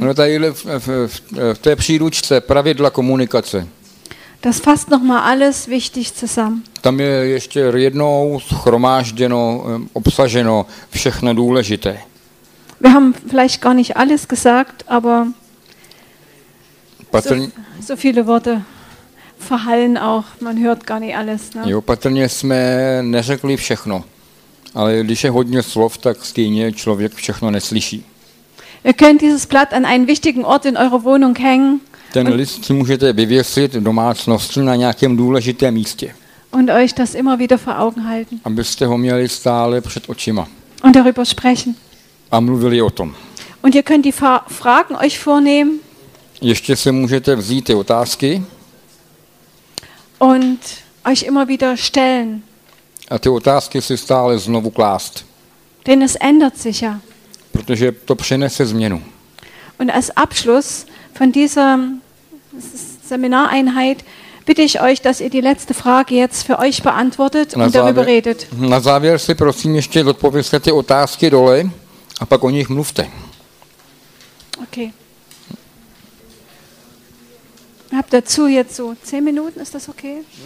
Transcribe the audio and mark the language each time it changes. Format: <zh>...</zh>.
<cs>No, tady v té příručce pravidla komunikace.</cs> <de>Das fasst noch mal alles wichtig zusammen.</de> <cs>Tam je ještě jednou schromážděno, obsaženo všechno důležité.</cs> <de>Wir haben vielleicht gar nicht alles gesagt, aber so viele Worte verhallen auch, man hört gar nicht alles. Ne?</de> <cs>Jo, patrně jsme neřekli všechno, ale když je hodně slov, tak stejně člověk všechno neslyší.</cs> <de>Ihr könnt dieses Blatt an einen wichtigen Ort in eurer Wohnung hängen.</de> <cs>Ten list si můžete vyvěsit v domácnosti na nějakém důležitém místě.</cs> <de>Und euch das immer wieder vor Augen halten.</de> <cs>Abyste ho měli stále před očima.</cs> <de>Und darüber sprechen.</de> <cs>A mluvili o tom.</cs> <de>Und ihr könnt die Fragen euch vornehmen.</de> <cs>Ještě si můžete vzít ty otázky.</cs> <de>Und euch immer wieder stellen.</de> <cs>a ty otázky si stále znovu klást.</cs> <de>Denn es ändert sich ja.</de> <cs>Protože to přinese změnu.</cs> <de>Und als Abschluss von dieser Seminareinheit bitte ich euch, dass ihr die letzte Frage jetzt für euch beantwortet und darüber redet.</de> <cs>Na závěr si prosím ještě odpověste ty otázky dole a pak o nich mluvte. Okay.</cs> <de>Habt dazu jetzt so 10 Minuten, ist das okay?</de>